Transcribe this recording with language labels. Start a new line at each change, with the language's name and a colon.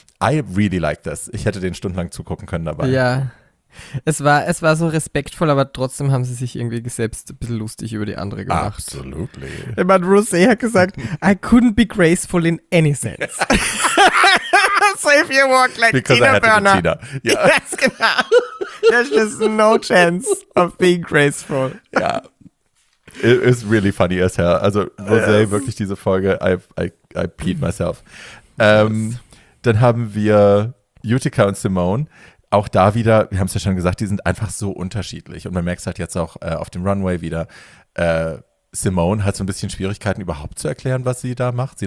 English: I really like this.
German: Ich hätte den stundenlang zugucken können dabei. Ja, es war so respektvoll, aber trotzdem haben sie sich irgendwie selbst ein bisschen lustig über die andere gemacht.
English: Absolutely.
German: Ich meine, Rosé hat gesagt,
English: I couldn't be graceful in any sense. So if you walk like because Tina Burner. Tina. Yeah. Yes,
German: genau.
English: There's just no chance of being graceful.
German: Ja.
English: It is really funny as hell.
German: Also Rosé, wirklich diese Folge,
English: I peed myself.
German: Dann haben wir Utica und Simone. Auch da wieder, wir haben es ja schon gesagt, die sind einfach so unterschiedlich. Und man merkt es halt jetzt auch auf dem Runway wieder. Simone hat so ein bisschen Schwierigkeiten, überhaupt zu erklären, was sie da macht.